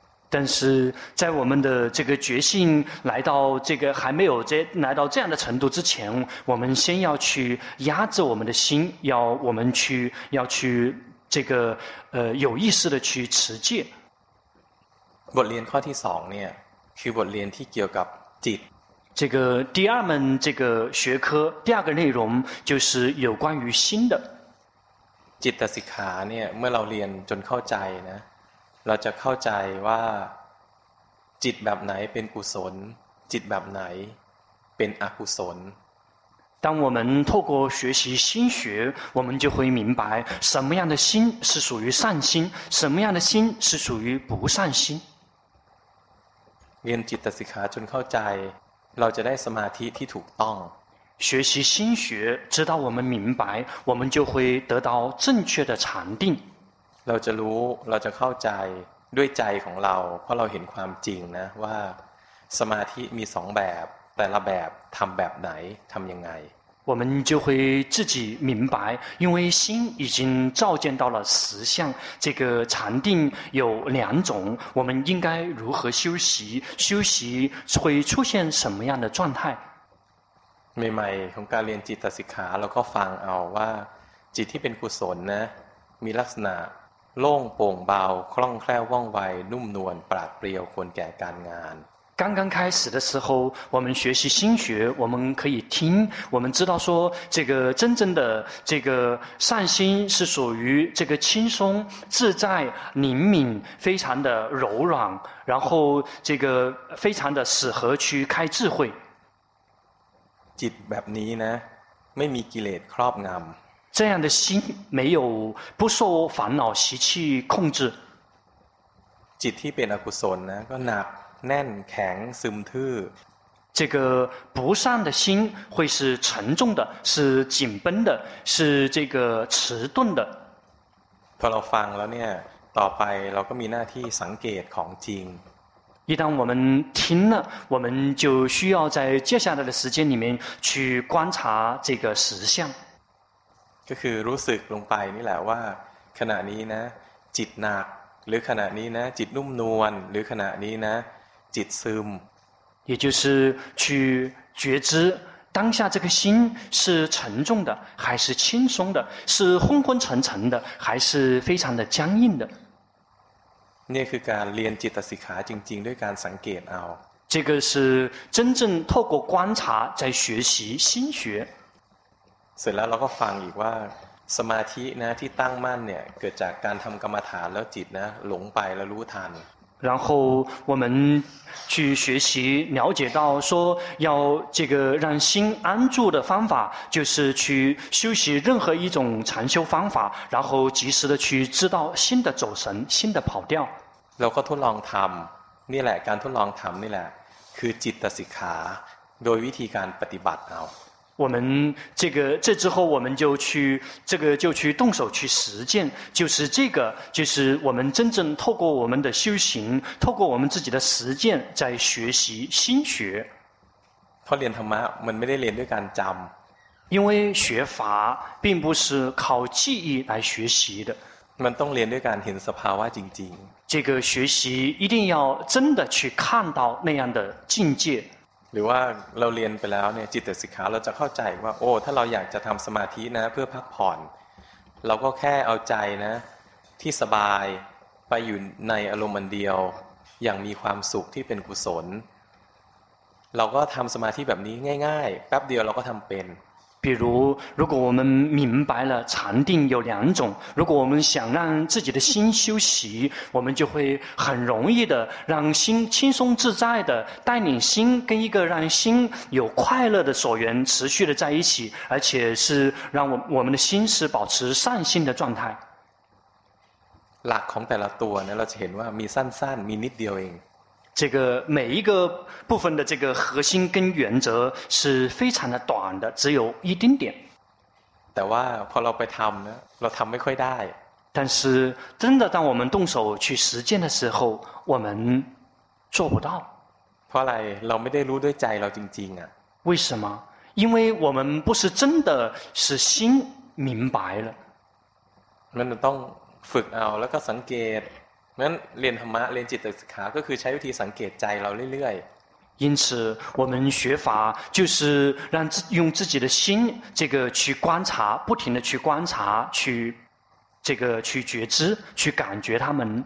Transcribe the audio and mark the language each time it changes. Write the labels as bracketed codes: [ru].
[zh] 但是在我们的这个决心来到这个还没有这来到这样的程度之前我们先要去压制我们的心要我们去要去这个有意识的去持戒 [th] บทเรียนข้อที่2เนี่ยคือบทเรียนที่เกี่ยวกับจิต [zh] 这个第二门这个学科第二个内容就是有关于心的 [th] จิตสิกขาเนี่ยเมื่อเราเรียนจนเข้าใจนะเราจะเข้าใจว่าจิตแบบไหนเป็นกุศลจิตแบบไหนเป็นอกุศล [zh] 当我们透过学习心学我们就会明白什么样的心是属于善心什么样的心是属于不善心 [th] เรียนจิตสิกขาจนเข้าใจเราจะได้สมาธิที่ถูกต้อง [zh] 学习心学直到我们明白我们就会得到正确的禅定 [th] เราจะรู้เราจะเข้าใจด้วยใจของเราเพราะเราเห็นความจริงนะว่าสมาธิมีสองแบบแต่ละแบบทำแบบไหนทำยังไง [zh] 我们就会自己明白，因为心已经照见到了实相，这个禅定有两种，我们应该如何修习，修习会出现什么样的状态。 [th] ใหม่ๆของการเรียนจิตสิกขาเราก็ฟังเอาว่าจิตที่เป็นกุศลนะมีลักษณะโล่งโปร่งเบาคล่องแคล่วว่องไวนุ่มนวลปราดเปรียวควรแก่การงาน [zh] 刚刚开始的时候，我们学习心学，我们可以听，我们知道说这个真正的这个善心是属于这个轻松自在灵敏非常的柔软，然后这个非常的适合去开智慧。 [th] จิตแบบนี้นะไม่มีกิเลสครอบงำ [zh] 这样的心没有不受烦恼习气控制。 [th] จิตที่เป็นอกุศลนะก็หนักแน่นแข็งซึมทื่อ [zh] 这个不善的心会是沉重的是紧绷的是这个迟钝的 [th] พอเราฟังแล้วเนี่ยต่อไปเราก็มีหน้าที่สังเกตของจริง [zh] 一旦我们听了我们就需要在接下来的时间里面去观察这个实相 [th] ก็คือรู้สึกลงไปนี่แหละว่าขณะนี้นะจิตหนักหรือขณะนี้นะจิตนุ่มนวลหรือขณะนี้นะจิตซึม [zh] 也就是去觉知当下这个心是沉重的还是轻松的是昏昏沉沉的还是非常的僵硬的 [th] นี่คือการเรียนจิตสิกขาจริงๆด้วยการสังเกตเอา [zh] 这个是真正透过观察在学习心学 [th] เสร็จแล้วเราก็ฟังอีกว่าสมาธินะที่ตั้งมั่นเนี่ยเกิดจากการทำกรรมฐานแล้วจิตนะหลงไปแล้วรู้ทัน [zh] 然后我们去学习了解到说要这个让心安住的方法就是去修习任何一种禅修方法然后及时的去知道心的走神心的跑掉 [th] เราก็ทดลองทำนี่แหละการทดลองทำนี่แหละคือจิตสิกขาโดยวิธีการปฏิบัติเอา [zh] 我们这个这之后我们就去这个就去动手去实践就是这个就是我们真正透过我们的修行透过我们自己的实践在学习心学 [th] พอเรียนธรรมะมันไม่ได้เรียนด้วยการจำ [zh] 因为学法并不是靠记忆来学习的 [th] มันต้องเรียนด้วยการเห็นสภาวะจริง [zh] ๆ这个学习一定要真的去看到那样的境界 [th] หรือว่าเราเรียนไปแล้วเนี่ยจิตสิกขาเราจะเข้าใจว่าโอ้ถ้าเราอยากจะทำสมาธินะเพื่อพักผ่อนเราก็แค่เอาใจนะที่สบายไปอยู่ในอารมณ์อันเดียวอย่างมีความสุขที่เป็นกุศลเราก็ทำสมาธิแบบนี้ง่ายๆแป๊บเดียวเราก็ทำเป็น [zh] 比如如果我们明白了禅定有两种如果我们想让自己的心休息我们就会很容易的让心轻松自在的带领心跟一个让心有快乐的所缘持续的在一起而且是让我们的心是保持善心的状态 [th] หลักของแต่ละตัวเนี่ยเราจะเห็นว่ามีสั้นๆมีนิดเดียวเอง [zh] 这个每一个部分的这个核心跟原则是非常的短的只有一丁点 [th] แต่ว่าพอเราไปทำนะเราทำไม่ค่อยได้ [zh] 但是真的当我们动手去实践的时候我们做不到 [th] เพราะอะไรเราไม่ได้รู้ด้วยใจเราจริงๆอ่ะ [zh] 为什么因为我们不是真的是心明白了 [th] มันต้องฝึกเอาแล้วก็สังเกตนั้นเรียนธรรมะเรียนจิตสิกขาก็คือใช้วิธีสังเกตใจเราเรื่อย [zh] ๆ因此我们学法就是让用自己的心这个去观察不停的去观察去这个去觉知去感觉他们